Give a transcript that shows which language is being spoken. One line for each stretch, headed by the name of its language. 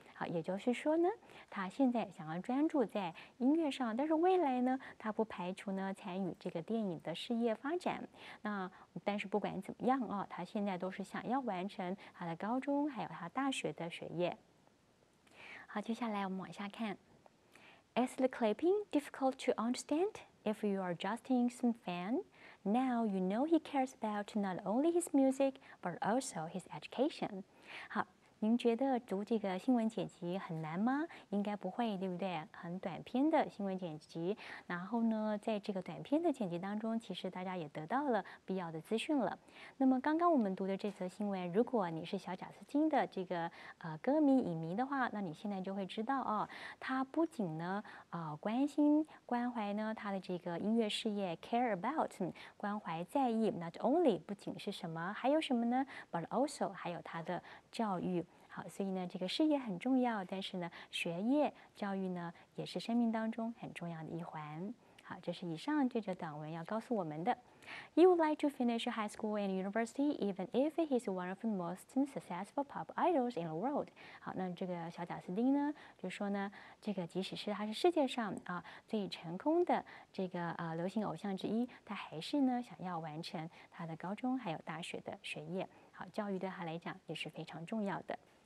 Chinese: 好，也就是说呢，他现在想要专注在音乐上，但是未来呢，他不排除呢参与这个电影的事业发展。那但是不管怎么样啊，他现在都是想要完成他的高中还有他大学的学业。好，接下来我们往下看。
English: Is the clapping difficult to understand if you are just in some fan? Now you know he cares about not only his music but also his education.
Chinese: 好。您觉得读这个新闻剪辑很难吗？应该不会，对不对？很短篇的新闻剪辑，然后呢，在这个短篇的剪辑当中，其实大家也得到了必要的资讯了。那么刚刚我们读的这则新闻，如果你是小贾斯汀的这个歌迷影迷的话，那你现在就会知道哦，他不仅呢关心关怀呢他的这个音乐事业
English: care about
Chinese: 关怀在意
English: not only
Chinese: 不仅是什么，还有什么呢 ？
English: But also
Chinese: 还有他的教育。好，所以呢，这个事业很重要，但是呢，学业教育呢，也是生命当中很重要的一环。好，这是以上这则短文要告诉我们的。
English: He would like to finish high school and university, even if he is one of the most successful pop idols in the world.
Chinese: 好，那这个小贾斯汀呢，就说呢，这个即使是他是世界上啊最成功的这个流行偶像之一，他还是呢想要完成他的高中还有大学的学业。好，教育对他来讲也是非常重要的。